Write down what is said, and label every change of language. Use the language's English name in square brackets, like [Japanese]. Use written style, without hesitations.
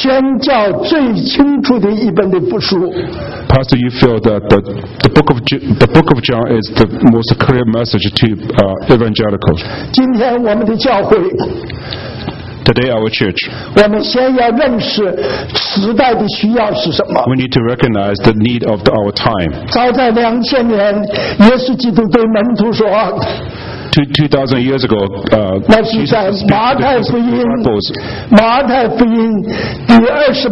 [Chinese] 我就看见这一本福音是对宣教最清楚的一本的福书。 [English] Pastor Yu felt that the book of John is the most clear message to evangelicals. [Chinese] 今天我们的教会, [English] Today our church. We need to recognize the need of our time. [Chinese] 早在2000年, 耶稣基督对门徒说, [English] 2000 years ago, Jesus speaking to the disciples.